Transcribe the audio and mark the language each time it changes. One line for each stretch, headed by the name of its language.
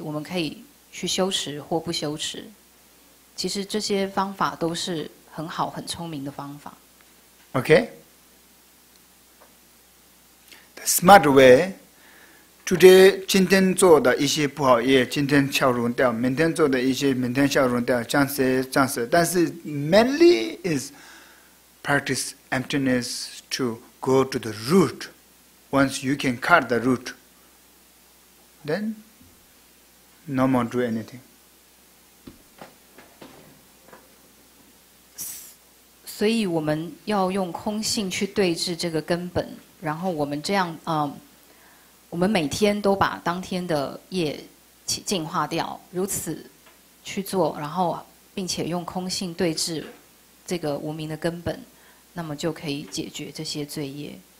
Chinese: 我们可以去修持或不修持。其实这些方法都是很好、很聪明的方法。
English: Okay, the smart way. Today,
Chinese: 今天做的一些不好业，今天消融掉；明天做的一些，明天消融掉。暂时，暂时。但是
English: mainly is practice emptiness to go to the root. Once you can cut the root, then no more do anything.
Chinese: 所以我们要用空性去对治这个根本，然后我们这样我们每天都把当天的业净化掉，如此去做，然后并且用空性对治这个无明的根本，那么就可以解决这些罪业。